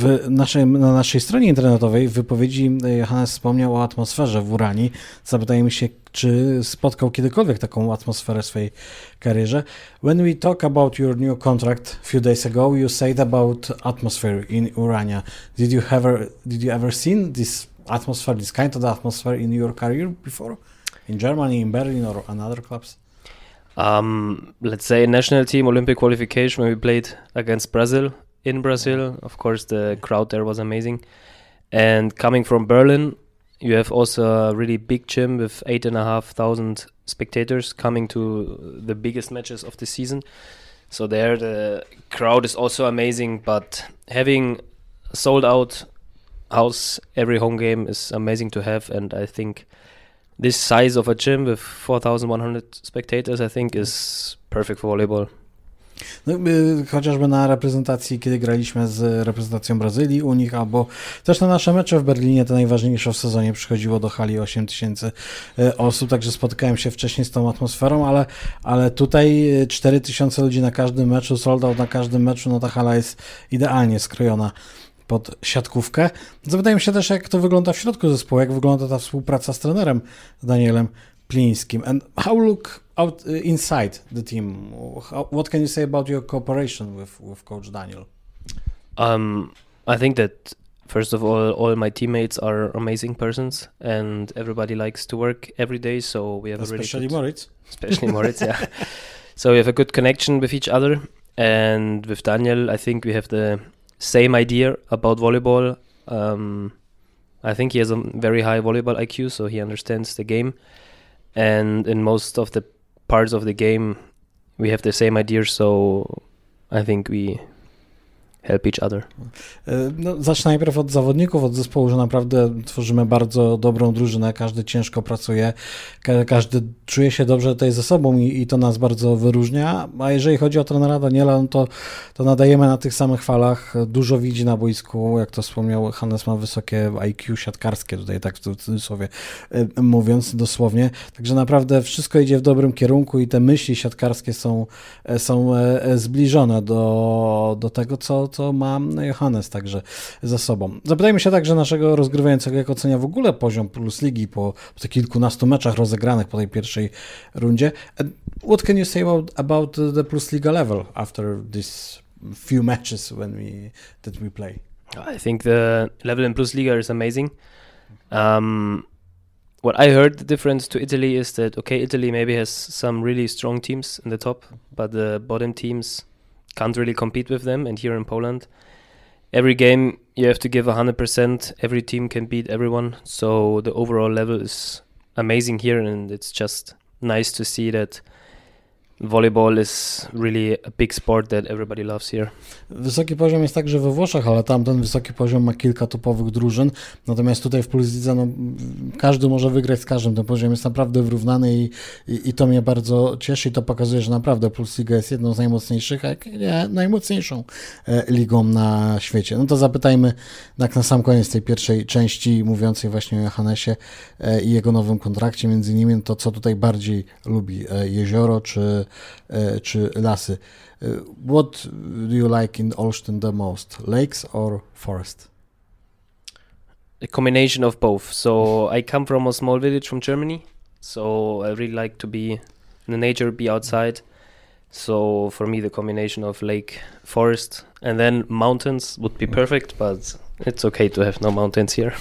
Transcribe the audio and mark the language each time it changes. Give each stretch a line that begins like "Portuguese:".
Polish: Na naszej stronie internetowej w wypowiedzi Johannes wspomniał o atmosferze w Uranii. Zapytajmy się, czy spotkał kiedykolwiek taką atmosferę w swojej karierze.
English: When we talk about your new contract a few days ago, you said about atmosphere in Urania. Did you ever seen this atmosphere, this kind of atmosphere in your career before? In Germany, in Berlin, or another clubs? Let's say national team, Olympic qualification, when we played against Brazil in Brazil. Of course, the crowd there was amazing. And coming from Berlin, you have also a really big gym with 8,500 spectators coming to the biggest matches of the season. So there, the crowd is also amazing. But having sold out house every home game is amazing to have. And I think this size of a gym with 4,100 spectators, I think, is perfect for volleyball.
Polish: No, chociażby na reprezentacji, kiedy graliśmy z reprezentacją Brazylii u nich, albo też na nasze mecze w Berlinie, te najważniejsze w sezonie, przychodziło do hali 8,000 osób, także spotkałem się wcześniej z tą atmosferą, ale tutaj 4,000 ludzi na każdym meczu, sold out na każdym meczu, no ta hala jest idealnie skrojona pod siatkówkę. Zapytajmy się też, jak to wygląda w środku zespołu, jak wygląda ta współpraca z trenerem Danielem Plińskim.
English: And how look out inside the team? What can you say about your cooperation with coach Daniel? I think that first of all my teammates are amazing persons and everybody likes to work every day, so we have especially a really good, Moritz. Especially Moritz, yeah. So we have a good connection with each other, and with Daniel I think we have the same idea about volleyball. I think he has a very high volleyball IQ, so he understands the game. And in most of the parts of the game, we have the same idea, so I think we help each other.
Polish: No, zacznę najpierw od zawodników, od zespołu, że naprawdę tworzymy bardzo dobrą drużynę. Każdy ciężko pracuje, każdy czuje się dobrze tutaj ze sobą i to nas bardzo wyróżnia. A jeżeli chodzi o trenera Daniela, no to nadajemy na tych samych falach. Dużo widzi na boisku, jak to wspomniał Hannes, ma wysokie IQ siatkarskie, tutaj tak w cudzysłowie mówiąc dosłownie. Także naprawdę wszystko idzie w dobrym kierunku i te myśli siatkarskie są zbliżone do tego, co ma Johannes także za sobą. Zapytajmy się także naszego rozgrywającego, jak ocenia w ogóle poziom Plus Ligi po tych kilkunastu meczach rozegranych po tej pierwszej rundzie.
English: And what can you say about the Plus Liga level after these few matches that we play? I think the level in Plus Liga is amazing. What I heard the difference to Italy is that, okay, Italy maybe has some really strong teams in the top, but the bottom teams can't really compete with them, and here in Poland every game you have to give 100%. Every team can beat everyone. So the overall level is amazing here. And it's just nice to see that volleyball is really a big sport that everybody loves here.
Polish: Wysoki poziom jest także we Włoszech, ale tam ten wysoki poziom ma kilka topowych drużyn. Natomiast tutaj w Polsce, no, każdy może wygrać z każdym. Ten poziom jest naprawdę wyrównany i to mnie bardzo cieszy. To pokazuje, że naprawdę Polska jest jedną z najmocniejszych, a jak nie, najmocniejszą ligą na świecie. No to zapytajmy tak na sam koniec tej pierwszej części, mówiącej właśnie o Johannesie i jego nowym kontrakcie. Między innymi to, co tutaj bardziej lubi, jezioro czy lasy.
English: What do you like in Olsztyn the most, lakes or forest? A combination of both. So I come from a small village from Germany, so I really like to be in the nature, be outside. So for me the combination of lake, forest and then mountains would be perfect, but it's okay to have no mountains here.